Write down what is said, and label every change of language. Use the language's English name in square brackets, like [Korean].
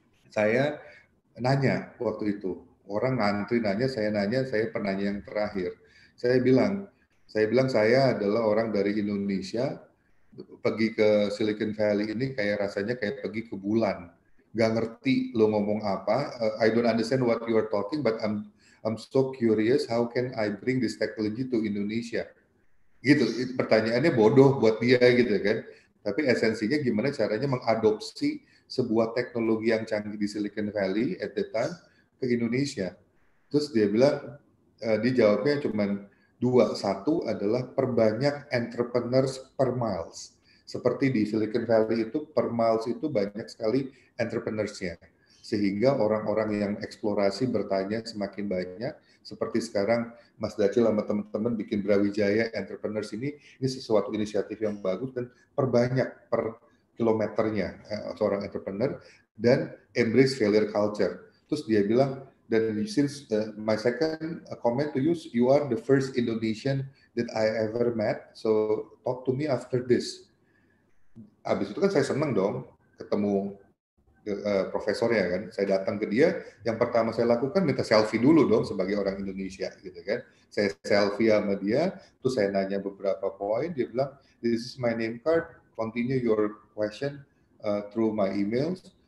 [Indonesian] Saya nanya waktu itu, orang ngantri nanya, saya penanya yang terakhir. Saya bilang saya adalah orang dari Indonesia, pergi ke Silicon Valley ini kayak rasanya kayak pergi ke bulan. Gak ngerti lo ngomong apa. [English] I don't understand what you are talking, but I'm so curious how can I bring this technology to Indonesia. [Indonesian] Gitu, pertanyaannya bodoh buat dia gitu kan. Tapi esensinya gimana caranya mengadopsi sebuah teknologi yang canggih di Silicon Valley [English] at that time [Indonesian] ke Indonesia. Terus dia bilang, dijawabnya cuman dua, satu adalah perbanyak entrepreneurs per miles. Seperti di Silicon Valley itu, per miles itu banyak sekali entrepreneurs-nya. Sehingga orang-orang yang eksplorasi bertanya semakin banyak, seperti sekarang Mas Dacil sama teman-teman bikin Brawijaya Entrepreneurs ini sesuatu inisiatif yang bagus dan perbanyak per kilometernya seorang entrepreneur dan [English] embrace failure culture. [Indonesian] Terus dia bilang, dan [English] since my second comment to you are the first Indonesian that I ever met, so talk to me after this. [Indonesian] Abis itu kan saya seneng dong ketemu profesornya kan, saya datang ke dia, yang pertama saya lakukan minta selfie dulu dong sebagai orang Indonesia gitu kan. Saya selfie sama dia, terus saya nanya beberapa poin, dia bilang, [English] this is my name card, continue your question through my emails.